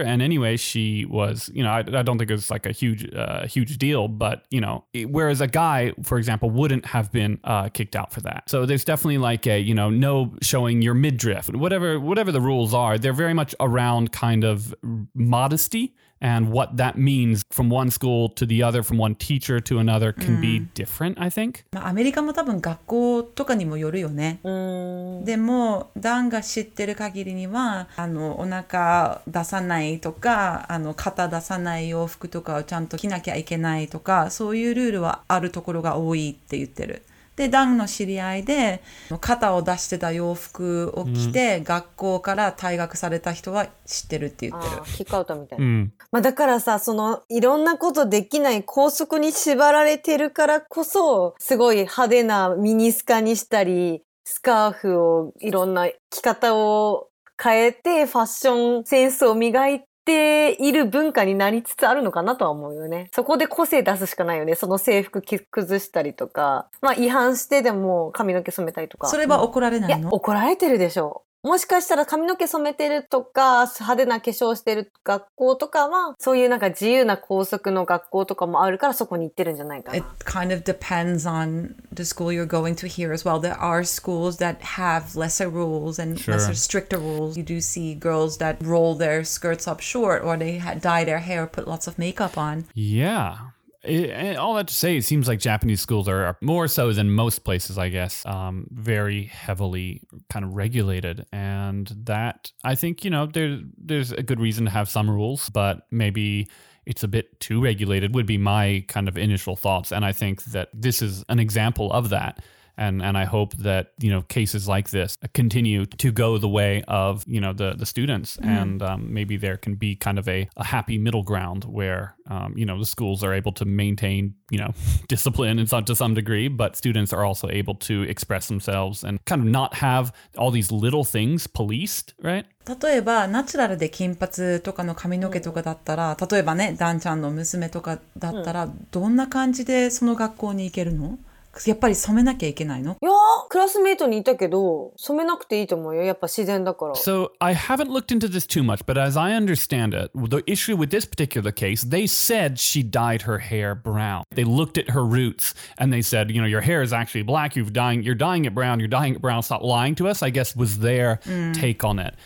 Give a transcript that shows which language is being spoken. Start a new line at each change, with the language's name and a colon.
English: And anyway, she was, you know, I don't think it was like a huge deal, but, you know, whereas a guy, for example, wouldn't have been kicked out for that. So there's definitely like a, you know, no showing your midriff, whatever the rules are, they're very much around kind of modesty. And what that means from one school to the other, from one teacher to another, can be different, I think.
Japanese: まあ、アメリカも多分学校とかにもよるよね。でも、ダンが知ってる限りには、お腹出さないとか、肩出さない洋服とかをちゃんと着なきゃいけないとか、そういうルールはあるところが多いって言ってる。で、ダンの知り合いで肩を出してた洋服を着て、mm. 学校から退学された人は知ってるって言ってる。キックアウトみたいな。 Mm. まあだからさ、そのいろんなことできない校則に縛られてるからこそ、すごい派手なミニスカにしたり、スカーフをいろんな着方を変えてファッションセンスを磨いて、ている文化になりつつあるのかなとは思うよね。そこで個性出すしかないよね。その制服着崩したりとか、まあ違反してでも髪の毛染めたりとか。それは怒られないの？いや、怒られてるでしょう。もしかしたら髪の毛染めてるとか派手な化粧してる学校とかはそういうなんか自由な校則の学校とかもあるからそこに行ってるんじゃないかな。
English: It kind of depends on the school you're going to here as well. There are schools that have lesser rules and lesser stricter rules. You do see girls that roll their skirts up short or they dye their hair or put lots of makeup on. Yeah. All that to say, it seems like Japanese schools are more so than most places, I guess, very heavily kind of regulated. And that, I think, you know, there's a good reason to have some rules, but maybe it's a bit too regulated would be my kind of initial thoughts. And I think that this is an example of that. And I hope that, you know, cases like this continue to go the way of, you know, the students. Mm. And maybe there can be kind of a happy middle ground where, you know, the schools are able to maintain, you know, discipline and to some degree, but students are also able to express themselves and kind of not have all these little things policed, right?
Japanese: 例えばナチュラルで金髪とかの髪の毛とかだったら、例えばね、ダンちゃんの娘とかだったら、どんな感じでその学校に行けるの？やっぱり染めなきゃいけないの？いやー、クラスメイトにいたけど、染めなくていいと思うよ。やっぱ自然だから。
English: So, I haven't looked into this too much, but as I understand it, the issue with this particular case, they said she dyed her hair brown. They looked at her roots, and they said, you know, your hair is actually black, you're dying it brown, stop lying to us, I guess was their take on it.